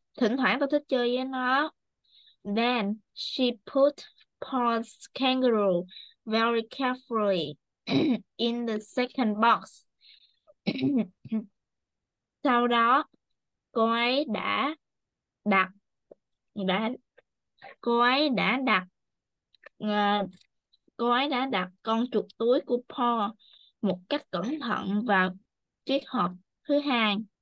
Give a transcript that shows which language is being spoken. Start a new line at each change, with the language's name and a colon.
Vietnamese: Thỉnh thoảng tôi thích chơi với nó.
English: Then she put Paul's kangaroo very carefully in the second box.
Vietnamese: Sau đó, cô ấy đã đặt con chuột túi của Paul một cách cẩn thận vào chiếc hộp thứ hai.